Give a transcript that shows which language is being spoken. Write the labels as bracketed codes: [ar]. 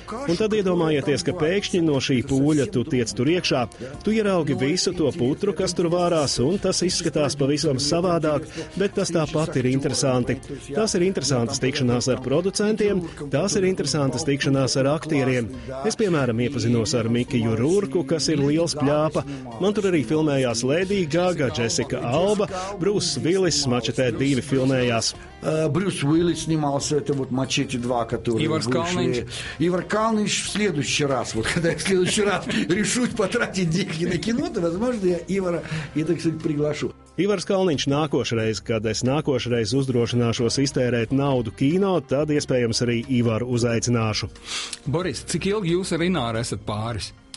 [lv] Un tad iedomājieties, ka pēkšņi no šī pūļa tu tiec tur iekšā, tu ieraugi visu to putru, kas tur vārās, un tas izskatās pavisam savādāk, bet tas tāpat ir interesanti. Tas ir interesantas tikšanās ar producentu, Tās ir interesantas tikšanās ar aktieriem. Es, piemēram, iepazinos ar Mikiju Rūrku, kas ir liels pļāpa. Man tur arī filmējās Lady Gaga, Jessica Alba, Bruce Willis, Mačetē 2 filmējās. Bruce Willis snimās, [ru] это вот Мачете 2, который вышли. Ivar Kalniņš в следующий раз, вот когда я в следующий раз решусь потратить деньги на кино, то, возможно, я Ivara, я так сказать, приглашу. [lv] Ivars Kalniņš nākošreiz, kad es nākošreiz uzdrošināšos iztērēt naudu kino, tad iespējams arī Ivaru uzaicināšu. Boris, cik ilgi jūs ar Ināru esat pāris?